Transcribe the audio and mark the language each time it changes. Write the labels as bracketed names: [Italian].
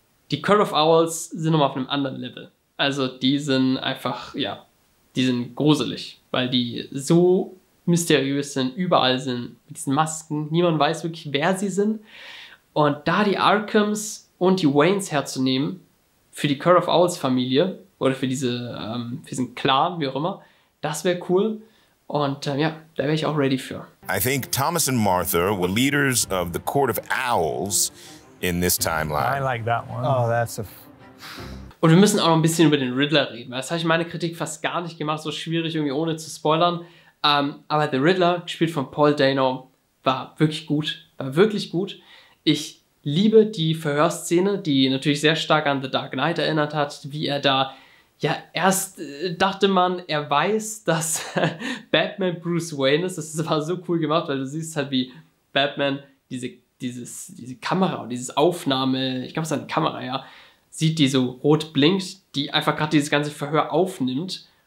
[German] Die Court of Owls sind nochmal auf einem anderen Level. Also die sind einfach, ja, die sind gruselig, weil die so mysteriös sind, überall sind, mit diesen Masken. Niemand weiß wirklich, wer sie sind. Und da die Arkhams und die Waynes herzunehmen, für die Court of Owls Familie, oder für diese, für diesen Clan, wie auch immer, das wäre cool. Und ja, da wäre ich auch ready für. [English] I think Thomas and Martha were leaders of the Court of Owls in this timeline. I like that one. Oh, that's a... [German] Und wir müssen auch noch ein bisschen über den Riddler reden, weil das habe ich in meiner Kritik fast gar nicht gemacht, so schwierig irgendwie ohne zu spoilern. Aber The Riddler, gespielt von Paul Dano, war wirklich gut. War wirklich gut. Ich liebe die Verhörszene, die natürlich sehr stark an The Dark Knight erinnert hat, wie er da, ja, erst dachte man, er weiß, dass Batman Bruce Wayne ist. Das war so cool gemacht, weil du siehst halt, wie Batman diese Kamera und dieses Aufnahme, ich glaube, es ist eine Kamera, ja, sieht, die so rot blinkt, die einfach gerade dieses ganze Verhör aufnimmt.